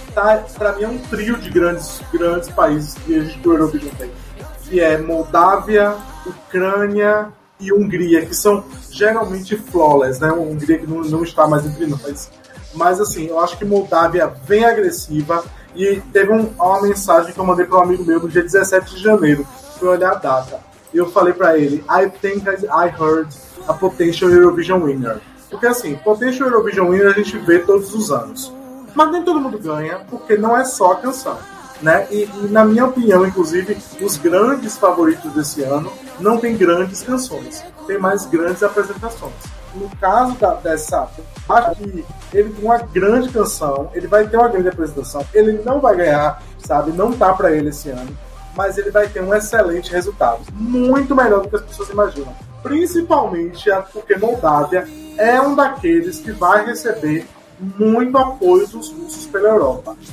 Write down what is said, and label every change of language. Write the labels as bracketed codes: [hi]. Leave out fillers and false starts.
[pt] tá, pra mim é um trio de grandes países que a gente do Eurovision tem, que é Moldávia, Ucrânia e Hungria, que são geralmente flawless, né? Hungria que não está mais entre nós. Mas assim, eu acho que Moldávia vem agressiva. E teve uma mensagem que eu mandei para um amigo meu no dia 17 de janeiro, para olhar a data. E eu falei para ele: [en] I think I heard a potential Eurovision winner. [pt] Porque assim, [en] potential Eurovision winner [pt] a gente vê todos os anos. Mas nem todo mundo ganha, porque não é só a canção, né? E na minha opinião, inclusive, os grandes favoritos desse ano não tem grandes canções, tem mais grandes apresentações. No caso dessa aqui, ele com uma grande canção, ele vai ter uma grande apresentação, ele não vai ganhar, sabe, não tá pra ele esse ano, mas ele vai ter um excelente resultado, muito melhor do que as pessoas imaginam, principalmente porque Moldávia é um daqueles que vai receber muito apoio dos russos pela Europa.